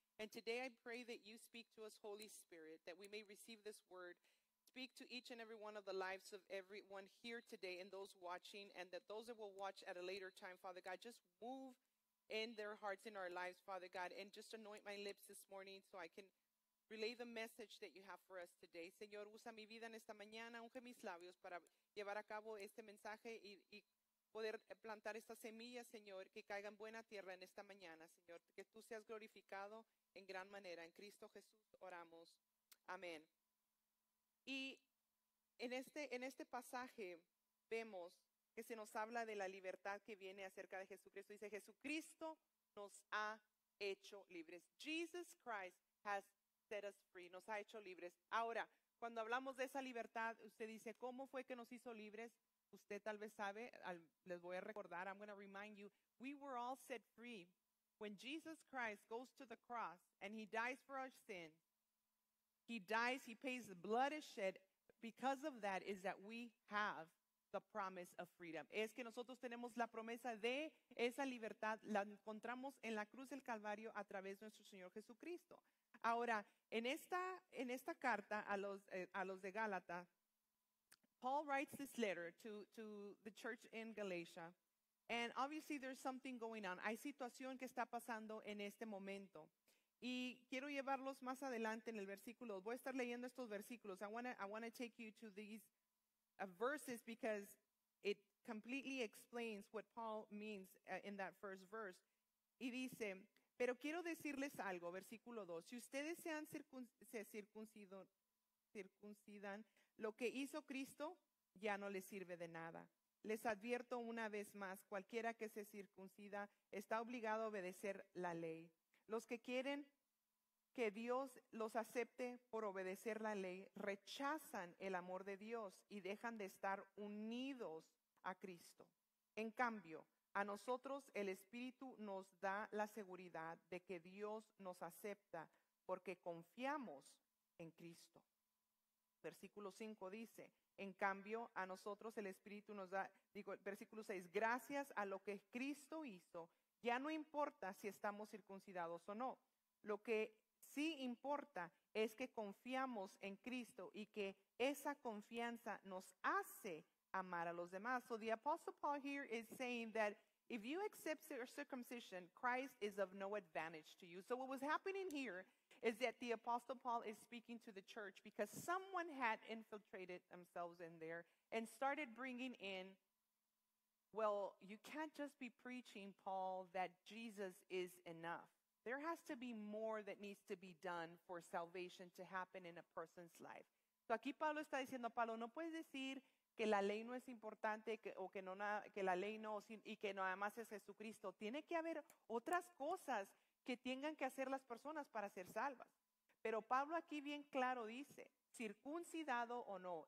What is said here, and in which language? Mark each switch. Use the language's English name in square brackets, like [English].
[English] And today I pray that you speak to us, Holy Spirit, that we may receive this word. Speak to each and every one of the lives of everyone here today and those watching, and that those that will watch at a later time, Father God, just move in their hearts, in our lives, Father God, and just anoint my lips this morning so I can relay the message that you have for us today. [Spanish] Señor, usa mi vida en esta mañana, unge mis labios para llevar a cabo este mensaje y poder plantar esta semilla, Señor, que caiga en buena tierra en esta mañana, Señor, que tú seas glorificado en gran manera. En Cristo Jesús oramos. Amén. Y en este pasaje vemos que se nos habla de la libertad que viene acerca de Jesucristo. Dice, Jesucristo nos ha hecho libres. [English] Jesus Christ has set us free. [Spanish] Nos ha hecho libres. Ahora, cuando hablamos de esa libertad, usted dice, ¿cómo fue que nos hizo libres? Usted tal vez sabe, les voy a recordar, [English] I'm going to remind you, we were all set free. When Jesus Christ goes to the cross and he dies for our sin, he dies, he pays the blood is shed. Because of that is that we have the promise of freedom. [Spanish] Es que nosotros tenemos la promesa de esa libertad, la encontramos en la cruz del Calvario a través de nuestro Señor Jesucristo. Ahora, en esta carta a los de Gálatas, [English] Paul writes this letter to the church in Galatia, and obviously there's something going on. [Spanish] Hay situación que está pasando en este momento. Y quiero llevarlos más adelante en el versículo. Voy a estar leyendo estos versículos. [English] I want to take you to these verses because it completely explains what Paul means in that first verse. [Spanish] Y dice, pero quiero decirles algo, versículo 2. Si ustedes se circuncidan, lo que hizo Cristo ya no les sirve de nada. Les advierto una vez más, cualquiera que se circuncida está obligado a obedecer la ley. Los que quieren que Dios los acepte por obedecer la ley rechazan el amor de Dios y dejan de estar unidos a Cristo. En cambio, a nosotros el Espíritu nos da la seguridad de que Dios nos acepta porque confiamos en Cristo. Versículo 5 dice, en cambio, a nosotros el Espíritu nos da, digo, versículo 6, gracias a lo que Cristo hizo, ya no importa si estamos circuncidados o no. Lo que sí importa es que confiamos en Cristo y que esa confianza nos hace amar a los demás. [English] So the Apostle Paul here is saying that if you accept your circumcision, Christ is of no advantage to you. So what was happening here is that the Apostle Paul is speaking to the church because someone had infiltrated themselves in there and started bringing in, well, you can't just be preaching, Paul, that Jesus is enough. There has to be more that needs to be done for salvation to happen in a person's life. [Spanish] So aquí Pablo está diciendo, Pablo, no puedes decir que la ley no es importante que nada más es Jesucristo. Tiene que haber otras cosas que tengan que hacer las personas para ser salvas. Pero Pablo aquí bien claro dice, circuncidado o no.